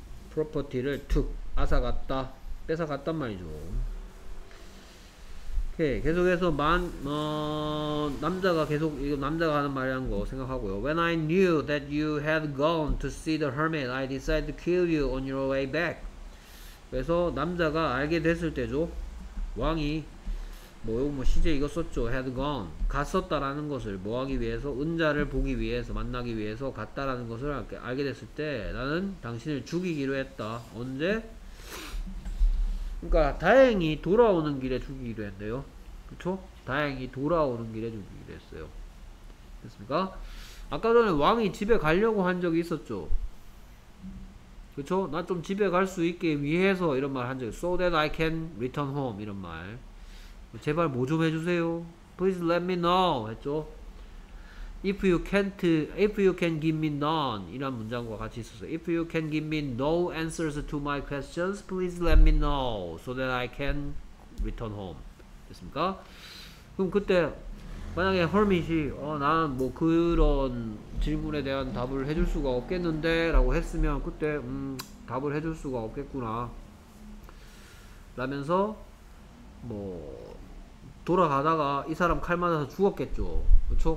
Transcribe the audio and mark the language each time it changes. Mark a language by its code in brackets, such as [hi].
[ko] 프로퍼티를 툭 앗아갔다, 뺏어갔단 말이죠. 오케이. 계속해서 남자가 하는 말이란 거 생각하고요. [en] When I knew that you had gone to see the hermit, I decided to kill you on your way back. [ko] 그래서 남자가 알게 됐을 때죠. 왕이 뭐 시제 이거 썼죠. [en] had gone. [ko] 갔었다라는 것을 뭐 하기 위해서? 은자를 보기 위해서, 만나기 위해서 갔다라는 것을 알게 됐을 때 나는 당신을 죽이기로 했다. 언제? 그러니까 다행히 돌아오는 길에 죽이기로 했네요. 그쵸? 다행히 돌아오는 길에 죽이기로 했어요. 됐습니까? 아까 전에 왕이 집에 가려고 한 적이 있었죠. 그쵸? 나 좀 집에 갈 수 있게 위해서 이런 말 한 적이 [en] so that I can return home [ko] 이런 말. 제발 뭐 좀 해주세요. [en] Please let me know [ko] 했죠. [en] If you can give me none [ko] 이란 문장과 같이 있었어요. [en] If you can give me no answers to my questions, please let me know so that I can return home. [ko] 됐습니까? 그럼 그때 만약에 허밋이 난 뭐 그런 질문에 대한 답을 해줄 수가 없겠는데 라고 했으면 그때 답을 해줄 수가 없겠구나 라면서 뭐 돌아가다가 이 사람 칼 맞아서 죽었겠죠. 그쵸?